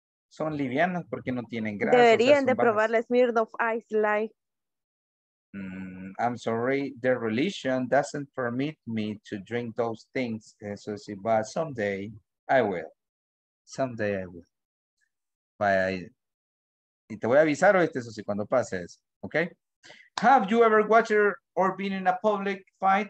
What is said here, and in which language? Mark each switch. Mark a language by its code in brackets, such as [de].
[es] Son livianas porque no tienen grasa. Deberían de probar la Smirnoff Ice Light. [en] I'm sorry, the religion doesn't permit me to drink those things, Susie, but someday I will. Someday I will. [es] Y te voy a avisar, Susie, cuando pase eso, okay? [en] Have you ever watched or been in a public fight?